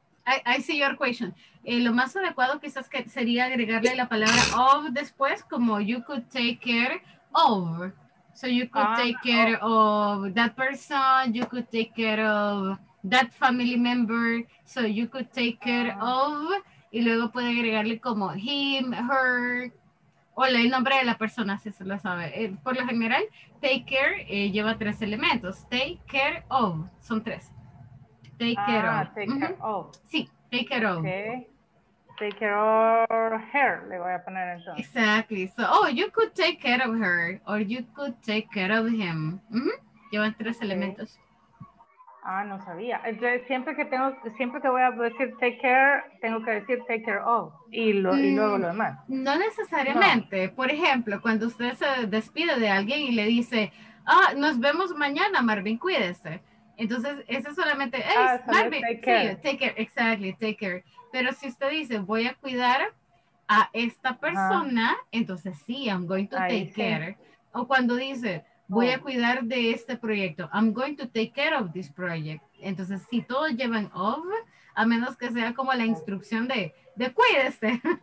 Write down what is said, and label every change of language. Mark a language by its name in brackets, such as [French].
[English] I see your question. [Spanish] Lo más adecuado quizás que sería agregarle la palabra of después, como [English] you could take care of. So you could take care of that person, you could take care of that family member, so you could take care of. [Spanish] Y luego puede agregarle como him, her, o el nombre de la persona, si se lo sabe. Por lo general, take care lleva tres elementos. [English] Take care of, [Spanish] son tres. [English] Take care of. Take care of. Sí, take care of. Okay. Take care of her, [Spanish] le voy a poner entonces. [English] Exactly. So, oh, you could take care of her, or you could take care of him. [Spanish] Mm-hmm. Llevan tres elementos. Ah, no sabía. Entonces, siempre que voy a decir take care, tengo que decir take care of y luego lo demás. No necesariamente. No. Por ejemplo, cuando usted se despide de alguien y le dice, ah, nos vemos mañana, Marvin, cuídese. Entonces, ese solamente, hey, Marvin, [English] take care. [Spanish] Sí, [English] take care, exactly, take care. [Spanish] Pero si usted dice, voy a cuidar a esta persona, entonces sí, [English] I'm going to take care. [Spanish] O cuando dice, voy a cuidar de este proyecto. [English] I'm going to take care of this project. [Spanish] Entonces, si todos llevan of, a menos que sea como la instrucción de cuídese.